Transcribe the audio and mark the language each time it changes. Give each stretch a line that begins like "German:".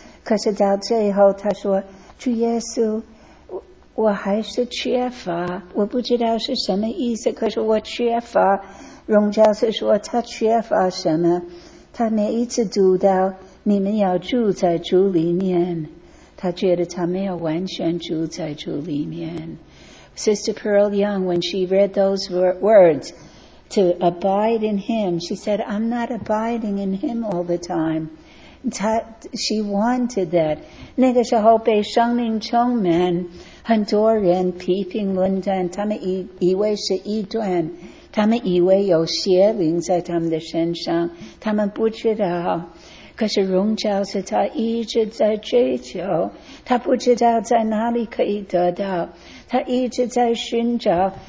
Chinese: 可是到最后他说，主耶稣，我还是缺乏，我不知道是什么意思，可是我缺乏。荣教师说他缺乏什么，他每一次读到你们要住在主里面，他觉得他没有完全住在主里面。
English: Sister Pearl Young, when she read those words,to abide in him, she said, I'm not abiding in him all the time. She wanted that.
Chinese: 那个时候被生命充满，很多人批评论断，他们以为是异端，他们以为有邪灵在他们的身上，他们不知道。可是荣教师他一直在追求，他不知道在哪里可以得到，他一直在寻找。